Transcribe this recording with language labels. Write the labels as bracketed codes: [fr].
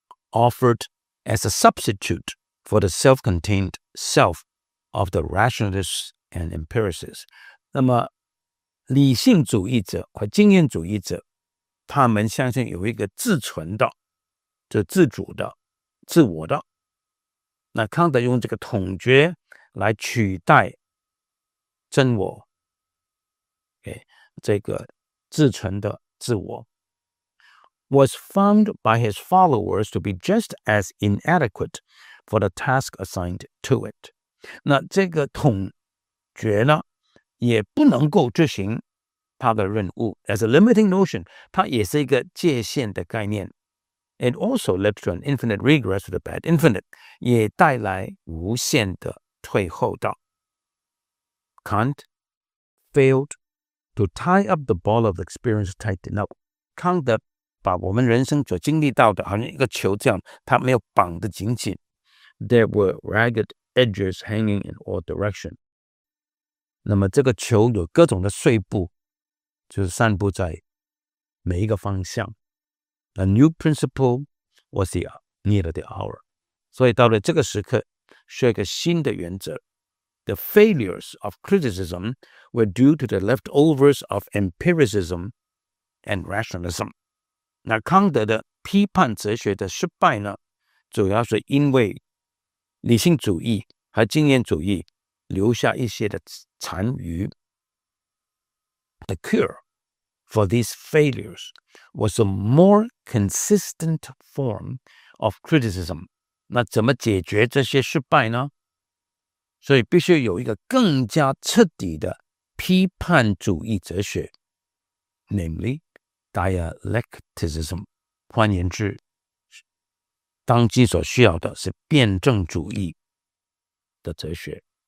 [en] Offered as a substitute for the self-contained self of the rationalists and empiricists， [zh] 那么理性主义者和经验主义者，他们相信有一个自存的、就自主的、自我的。那康德用这个统觉来取代真我， okay， 这个自存的自我。 [en] Was found by his followers to be just as inadequate for the task assigned to it. [zh] 那这个统觉呢，也不能够执行他的任务。 [en] As a limiting notion, [zh] 它也是一个界限的概念。 [en] It also led to an infinite regress to the bad infinite, [zh] 也带来无限的退后的。 [en] Kant failed to tie up the ball of experience tight enough. [zh] 康德把我们人生所经历到的好像一个球这样，他没有绑得紧紧。 [en] There were ragged edges hanging in all directions. [zh] 那么这个球有各种的碎布，就是散布在每一个方向。 [en] A new principle was the need of the hour. [zh] 所以到了这个时刻，需要一个新的原则。 [en] The failures of criticism were due to the leftovers of empiricism and rationalism. [zh] 那康德的批判哲学的失败呢，主要是因为理性主义和经验主义留下一些的残余。 [en] The cure for these failures was a more consistent form of criticism. [zh] 那怎么解决这些失败呢？所以必须有一个更加彻底的批判主义哲学， [en] namely,Dialecticism， [zh] 换言之，当今所需要的是辩证主义的哲学。